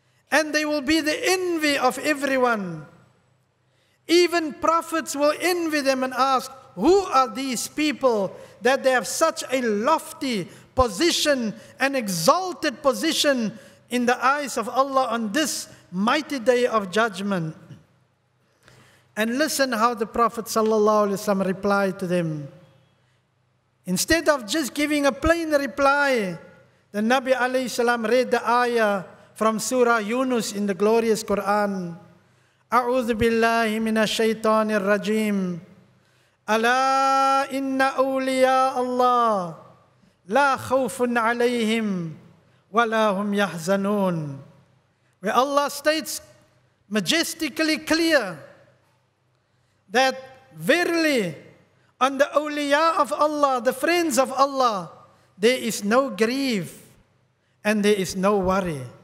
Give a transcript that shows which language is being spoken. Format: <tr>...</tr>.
<en>And they will be the envy of everyone. Even prophets will envy them and ask, who are these people that they have such a lofty position, an exalted position in the eyes of Allah on this mighty day of judgment?" And listen how the Prophet sallallahu alaihi wasallam replied to them. Instead of just giving a plain reply, the Nabi alayhi salam read the ayah from Surah Yunus in the glorious Quran.</en> <ar>أعوذ بالله من الشيطان الرجيم ألا إن أولياء الله لا خوف عليهم ولا هم يحزنون.</ar> <en>Where Allah states majestically clear that verily on the awliya of Allah, the friends of Allah, there is no grief and there is no worry.</en>